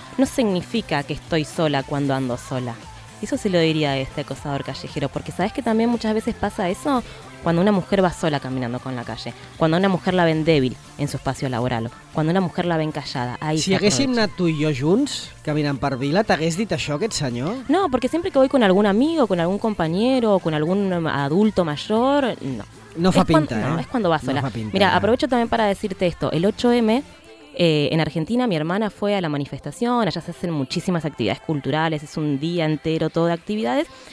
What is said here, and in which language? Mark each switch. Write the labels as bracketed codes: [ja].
[es] No significa que estoy sola cuando ando sola. Eso se lo diría a este acosador callejero, porque ¿sabes que también muchas veces pasa eso? Cuando una mujer va sola caminando con la calle, cuando una mujer la ven débil en su espacio laboral, cuando una mujer la ven callada, ahí [ca] si haguéssim anat tu i jo junts, caminant per vila, t'hagués dit això aquest senyor? [es] No, porque siempre que voy con algún amigo, con algún compañero, con algún adulto mayor, no. [ca] No fa pinta, [es] ¿eh? No, es cuando va sola. [ca] No fa pinta. [es] Mira, aprovecho también para decirte esto, el 8M... en Argentina mi hermana fue a la manifestación, allá se hacen muchísimas actividades culturales, es un día entero todo de actividades.